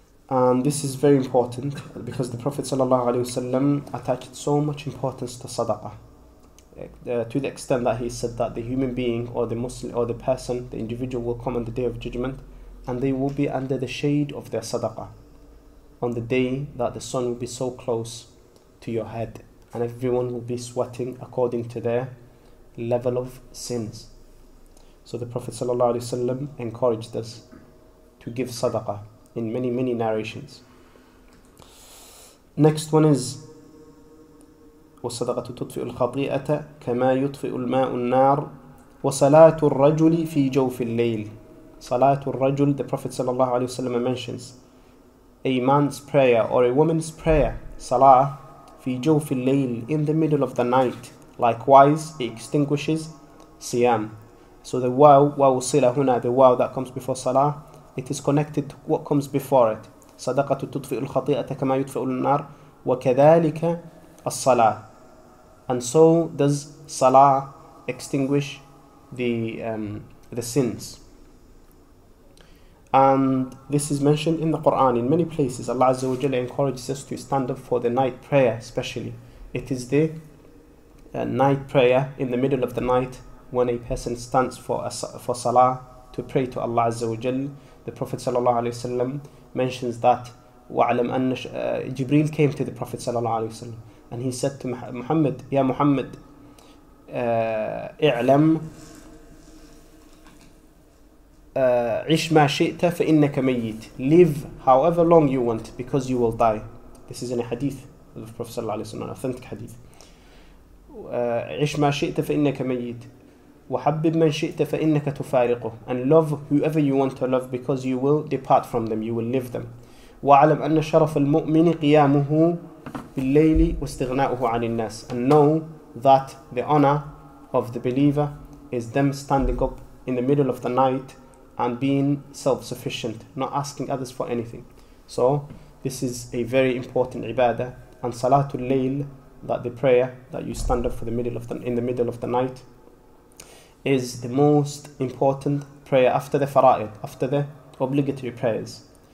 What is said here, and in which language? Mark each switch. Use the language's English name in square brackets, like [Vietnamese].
[English] And this is very important because the Prophet ﷺ attached so much importance to sadaqah, to the extent that he said that the human being or the Muslim or the person, the individual, will come on the Day of Judgment and they will be under the shade of their sadaqah on the day that the sun will be so close to your head and everyone will be sweating according to their level of sins. So the Prophet ﷺ encouraged us to give sadaqah in many, many narrations. Next one is [Arabic] وَالصَّدَقَةُ تُطْفِئُ الْخَطِيئَةَ كَمَا يُطْفِئُ الْمَاءُ النَّارُ وَصَلَاةُ الرَّجُلِ فِي جَوْفِ اللَّيْلِ. صَلَاةُ الرَّجُلِ, [English] the Prophet sallallahu alayhi wa sallam mentions a man's prayer or a woman's prayer, salah, [Arabic] فِي جَوْفِ اللَّيْلِ, [English] in the middle of the night. Likewise, it extinguishes siyam. So the waw, waw sila huna, the waw that comes before salah, it is connected to what comes before it. [Arabic] صَدَقَةُ تُطْفِئُ الْخَطِيئَةَ كَمَا يُطْفِئُ النَّارُ وَكَذَلِكَ As-salah. [English] And so does salah extinguish the sins. And this is mentioned in the Quran in many places. Allah Azza wa Jalla encourages us to stand up for the night prayer especially. It is the night prayer in the middle of the night when a person stands for salah to pray to Allah Azza wa Jalla. The Prophet Sallallahu Alaihi Wasallam mentions that [Arabic] وَعَلَمْ أَنَّ [English] Jibreel came to the Prophet Sallallahu Alaihi Wasallam and he said to Muhammad, Ya Muhammad, [Arabic] اعلم عش ما شئت فإنك ميت. [English] Live however long you want because you will die. This is in a hadith of the Prophet sallallahu alaihi wasallam, an authentic hadith. [Arabic] عش ما شئت فإنك ميت وحبب من شئت فإنك تفارقه. [English] And love whoever you want to love because you will depart from them, you will leave them. [Arabic] وعلم أن شرف المؤمن قيامه بالليل واستغناؤه عن الناس. [English] And know that the honor of the believer is them standing up in the middle of the night and being self-sufficient, not asking others for anything. So this is a very important ibadah, and salatul layl, that the prayer that you stand up for the middle of the, in the middle of the night, is the most important prayer after the fara'id, after the obligatory prayers.